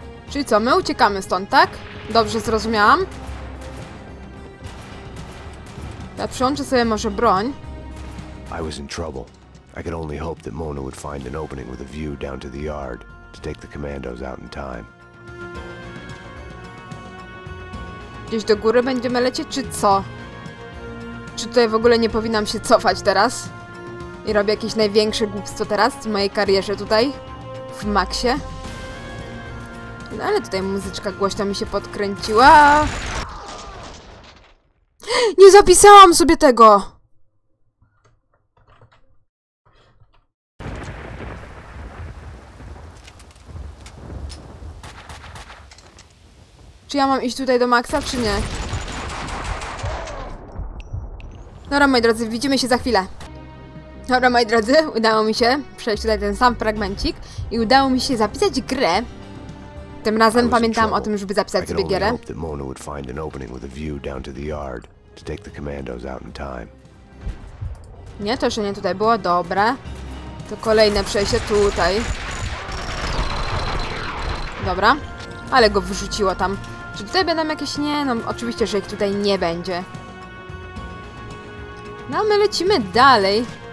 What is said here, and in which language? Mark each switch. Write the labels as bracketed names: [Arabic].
[Polish] Czyli co, my uciekamy stąd, tak? Dobrze zrozumiałam. Ja przyłączę sobie może broń. [English] I was in trouble. I could only hope that Mona would find an opening with a view down to the yard to take the commandos out in time. [Polish] Gdzieś do góry będziemy lecieć, czy co? Czy tutaj w ogóle nie powinnam się cofać teraz? I robię jakieś największe głupstwo teraz w mojej karierze tutaj, w Maxie. No ale tutaj muzyczka głośno mi się podkręciła. Nie zapisałam sobie tego! Czy ja mam iść tutaj do Maxa, czy nie? Dobra, moi drodzy, widzimy się za chwilę. Dobra, moi drodzy, udało mi się przejść tutaj ten sam fragmencik i udało mi się zapisać grę. Tym razem pamiętam o tym, żeby zapisać sobie gierę. [English] Mona would find an opening with a view down to the yard to take the commandos out in time. [Polish] Nie, to jeszcze nie tutaj było, dobra. To kolejne przejście tutaj. Dobra, ale go wyrzuciło tam. Czy tutaj będą jakieś nie? No oczywiście, że ich tutaj nie będzie. No, my lecimy dalej.